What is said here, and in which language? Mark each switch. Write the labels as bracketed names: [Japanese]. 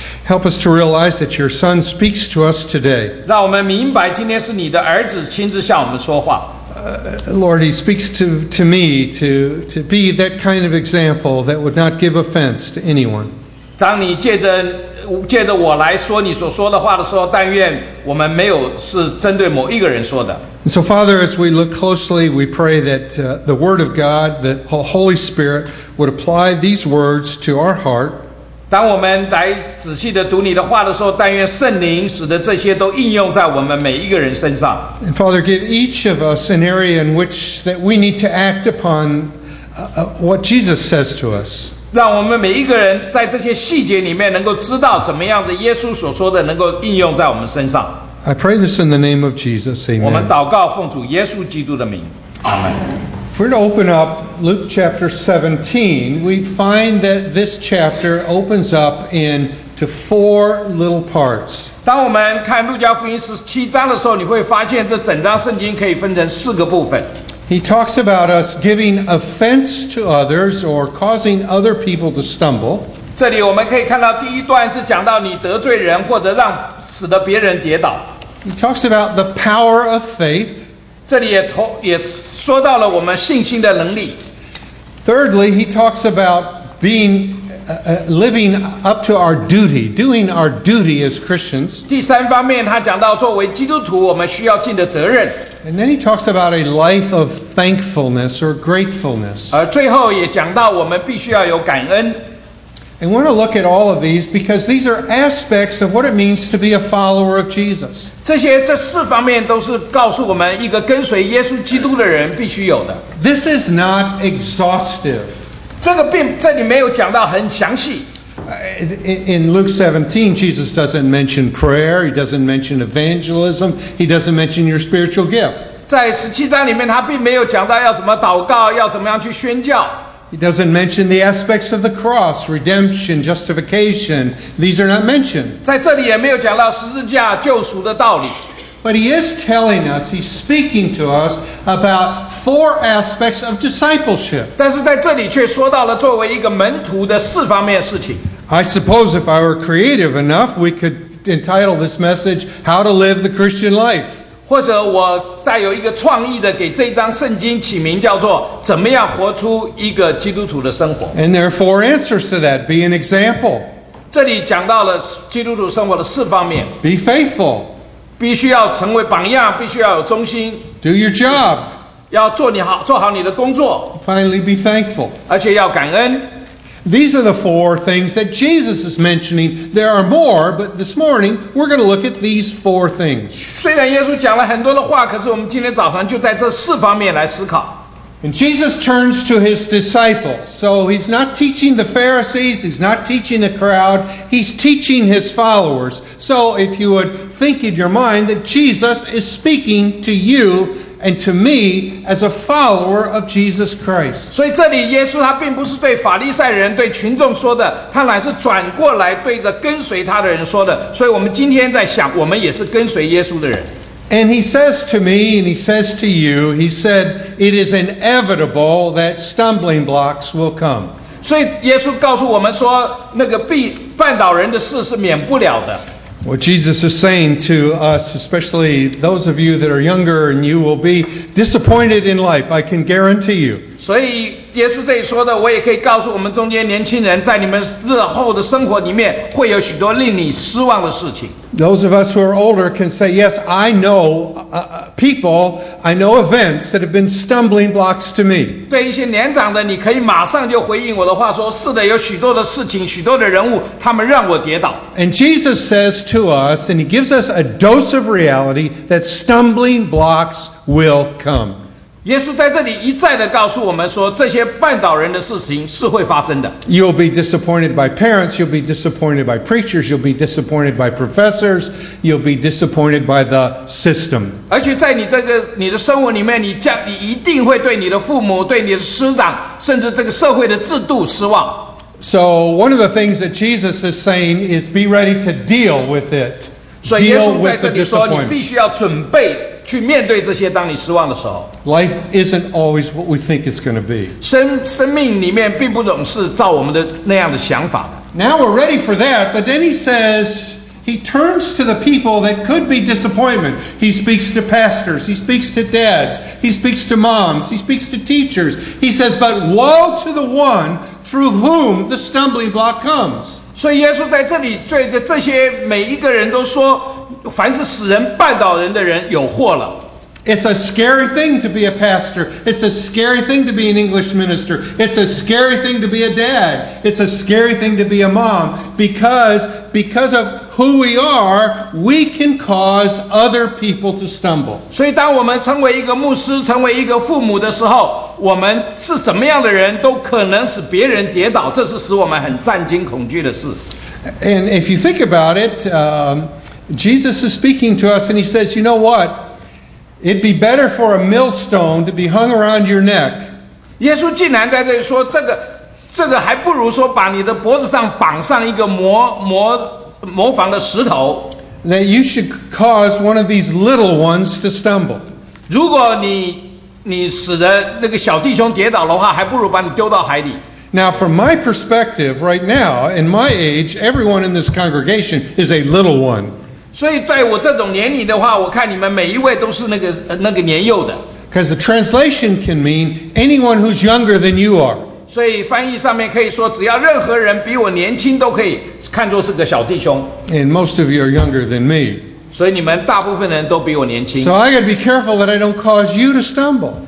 [English] Help us to realize that your Son speaks to us today. [Chinese] 让我们明白今天是你的儿子亲自向我们说话。 [English] Lord, he speaks to me to be that kind of example that would not give offense to anyone. [Chinese] 当你借着我来说你所说的话的时候，但愿我们没有是针对某一个人说的。 [English] And so, Father, as we look closely, we pray that the Word of God, the Holy Spirit, would apply these words to our heart. [Chinese] 当我们来仔细地读你的话的时候，但愿圣灵使得这些都应用在我们每一个人身上。 [English] And Father, give each of us an area in which that we need to act upon what Jesus says to us. [Chinese] 让我们每一个人在这些细节里面能够知道怎么样的耶稣所说的能够应用在我们身上。 [English] I pray this in the name of Jesus. Amen. [Chinese] 我们祷告奉主耶稣基督的名。 [English] Amen. If we're to open up Luke chapter 17, we find that this chapter opens up into four little parts. [Chinese] 当我们看路加福音17章的时候，你会发现这整章圣经可以分成四个部分。 [English] He talks about us giving offense to others or causing other people to stumble. [Chinese] 这里我们可以看到第一段是讲到你得罪人或者让使得别人跌倒。 [English] He talks about the power of faith. [Chinese] 这里也说到了我们信心的能力。 [English] Thirdly, he talks about being living up to our duty, doing our duty as Christians. [Chinese] 第三方面，他讲到作为基督徒我们需要尽的责任。 [English] And then he talks about a life of thankfulness or gratefulness. [Chinese] 而最后也讲到我们必须要有感恩。 [English] I want to look at all of these because these are aspects of what it means to be a follower of Jesus. [Chinese] 这四方面都是告诉我们一个跟随耶稣基督的人必须有的。 [English] This is not exhaustive. [Chinese] 这里没有讲到很详细。 [English] In Luke 17, Jesus doesn't mention prayer, he doesn't mention evangelism, he doesn't mention your spiritual gift. [Chinese] 在十七章里面他并没有讲到要怎么祷告，要怎么样去宣教。 [English] He doesn't mention the aspects of the cross, redemption, justification. These are not mentioned. [Chinese] 在这里也没有讲到十字架救赎的道理。 [English] But he is telling us, he's speaking to us about four aspects of discipleship. [Chinese] 但是在这里却说到了作为一个门徒的四方面事情。 [English] I suppose if I were creative enough, we could entitle this message, How to Live the Christian Life. [Chinese] 或者我带有一个创意的给这张圣经起名叫做怎么样活出一个基督徒的生活。 [English] And there are four answers to that. Be an example. [Chinese] 这里讲到了基督徒生活的四方面。 [English] Be faithful. [Chinese] 必须要成为榜样，必须要有忠心。 [English] Do your job. [Chinese] 要做好你的工作。 [English] Finally, be thankful. [Chinese] 而且要感恩。 [English] These are the four things that Jesus is mentioning. There are more, but this morning we're going to look at these four things. [Chinese] 虽然耶稣讲了很多的话，可是我们今天早上就在这四方面来思考。 [English] And Jesus turns to his disciples. So he's not teaching the Pharisees, he's not teaching the crowd, he's teaching his followers. So if you would think in your mind that Jesus is speaking to you and to me as a follower of Jesus Christ. [Chinese] 所以这里耶稣他并不是对法利赛人对群众说的，他乃是转过来对着跟随他的人说的。所以我们今天在想，我们也是跟随耶稣的人。 [English] And he says to me, and he says to you, he said, it is inevitable that stumbling blocks will come. [Chinese] 所以耶稣告诉我们说，那个绊倒人的事是免不了的。 [English] What Jesus is saying to us, especially those of you that are younger, and you will be disappointed in life, I can guarantee you. [Chinese] 所以耶稣这里说的，我也可以告诉我们中间年轻人，在你们日后的生活里面，会有许多令你失望的事情。 [English] Those of us who are older can say, yes, I know people, I know events that have been stumbling blocks to me. [Chinese] 对一些年长的，你可以马上就回应我的话说，是的，有许多的事情，许多的人物，他们让我跌倒。 [English] And Jesus says to us, and he gives us a dose of reality, that stumbling blocks will come. [Chinese] 耶稣在这里一再地告诉我们说，这些绊倒人的事情是会发生的。 [English] You'll be disappointed by parents, you'll be disappointed by preachers, you'll be disappointed by professors, you'll be disappointed by the system. [Chinese] 而且在你的生活里面，你一定会对你的父母、对你的师长，甚至这个社会的制度失望。 [English] So one of the things that Jesus is saying is be ready to deal with it. [Chinese] 所以耶稣在这里说，你必须要准备去面对这些当你失望的时候。 [English] Life isn't always what we think it's going to be. [Chinese] 生命里面并不总是照我们的那样的想法的。 [English] Now we're ready for that, but then he says, he turns to the people that could be disappointment. He speaks to pastors, he speaks to dads, he speaks to moms, he speaks to teachers. He says, but woe to the one through whom the stumbling block comes. [Chinese] 所以耶稣在这里对着这些每一个人都说凡是使人绊倒人的人有祸了。 [English] It's a scary thing to be a pastor. It's a scary thing to be an English minister. It's a scary thing to be a dad. It's a scary thing to be a mom. Because of who we are, we can cause other people to stumble. [Chinese] 所以当我们成为一个牧师，成为一个父母的时候，我们是怎么样的人都可能使别人跌倒，这是使我们很战惊恐惧的事。 [English] And if you think about it, Jesus is speaking to us and he says, you know what? It'd be better for a millstone to be hung around your neck. [Chinese] 耶稣竟然在这里说，这个还不如说把你的脖子上绑上一个模仿的石头。 [English] That you should cause one of these little ones to stumble. [Chinese] 如果你使得那个小弟兄跌倒的话，还不如把你丢到海里。 [English] Now, from my perspective, right now, in my age, everyone in this congregation is a little one. [Chinese] 所以在我这种年龄的话，我看你们每一位都是那个年幼的。 [English] Because the translation can mean anyone who's younger than you are. [Chinese] 所以翻译上面可以说，只要任何人比我年轻都可以看作是个小弟兄。 [English] And most of you are younger than me. [Chinese] 所以你们大部分人都比我年轻。 [English] So I got to be careful that I don't cause you to stumble.